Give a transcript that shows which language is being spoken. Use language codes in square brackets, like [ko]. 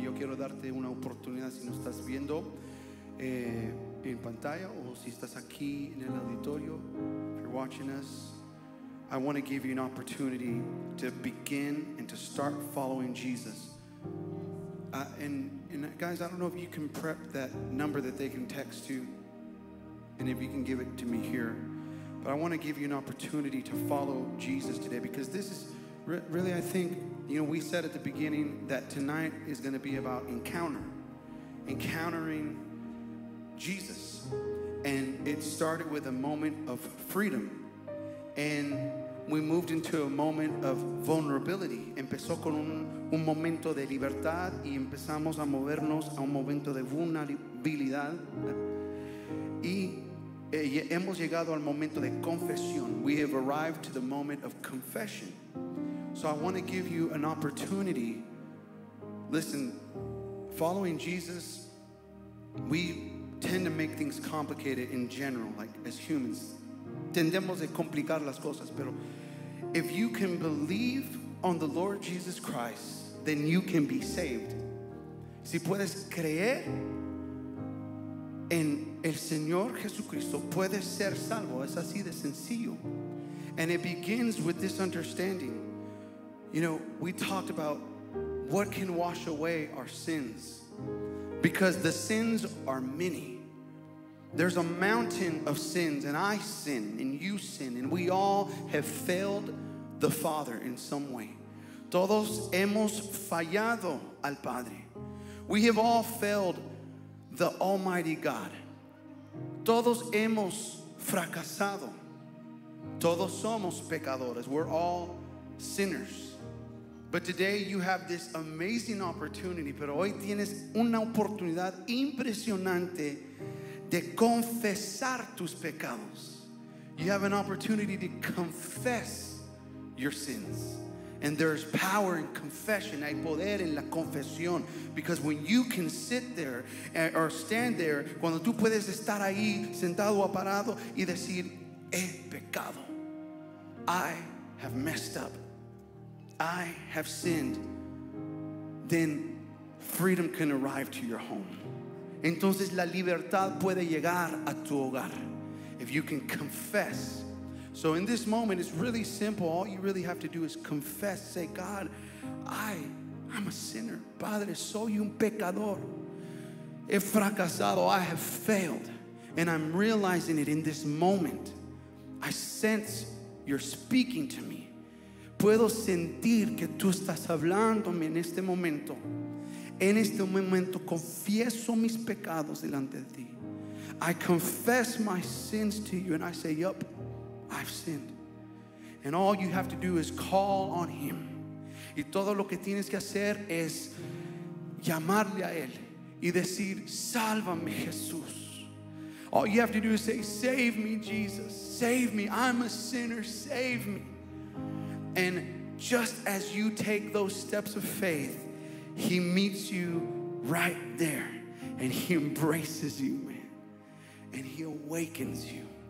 [es] Yo quiero darte una oportunidad si no estás viendo en pantalla o si estás aquí en el auditorio. [en] If you're watching us, I want to give you an opportunity to begin and to start following Jesus. And guys, I don't know if you can prep that number that they can text to, and if you can give it to me here, but I want to give you an opportunity to follow Jesus today, because this is really, I think, you know, we said at the beginning that tonight is going to be about encountering Jesus. And it started with a moment of freedom, and we moved into a moment of vulnerability. [es] Empezó con un momento de libertad y empezamos a movernos a un momento de vulnerabilidad. Y hemos llegado al momento de confesión. [en] We have arrived to the moment of confession. So I want to give you an opportunity. Listen, following Jesus, we tend to make things complicated in general, like as humans. [es] Tendemos a complicar las cosas, pero [en] if you can believe on the Lord Jesus Christ, then you can be saved. [es] Si puedes creer en el Señor Jesucristo, puedes ser salvo. Es así de sencillo. [en] And it begins with this understanding. You know, we talked about what can wash away our sins, because the sins are many. There's a mountain of sins, and I sin, and you sin, and we all have failed the Father in some way. [es] Todos hemos fallado al Padre. [en] We have all failed the Almighty God. [es] Todos hemos fracasado. Todos somos pecadores. [en] We're all sinners. But today you have this amazing opportunity. [es] Pero hoy tienes una oportunidad impresionante de confesar tus pecados. [en] You have an opportunity to confess your sins. And there's power in confession. [es] Hay poder en la confesión. [en] Because when you can sit there or stand there, [es] cuando tú puedes estar ahí sentado o parado y decir, he pecado. [en] I have messed up. I have sinned. Then freedom can arrive to your home. Entonces la libertad puede llegar a tu hogar. If you can confess. So in this moment, it's really simple. All you really have to do is confess. Say, God, I'm a sinner. [es] Padre, soy un pecador. He fracasado. [en] I have failed. And I'm realizing it in this moment. I sense you're speaking to me. [es] Puedo sentir que tú estás hablándome en este momento. En este momento confieso mis pecados delante de ti. [en] I confess my sins to you, and I say, yup, I've sinned. And all you have to do is call on him. [es] Y todo lo que tienes que hacer es llamarle a él y decir, sálvame, Jesús. [en] All you have to do is say, save me, Jesus. Save me. I'm a sinner. Save me. And just as you take those steps of faith, he meets you right there, and he embraces you, man, and he awakens you.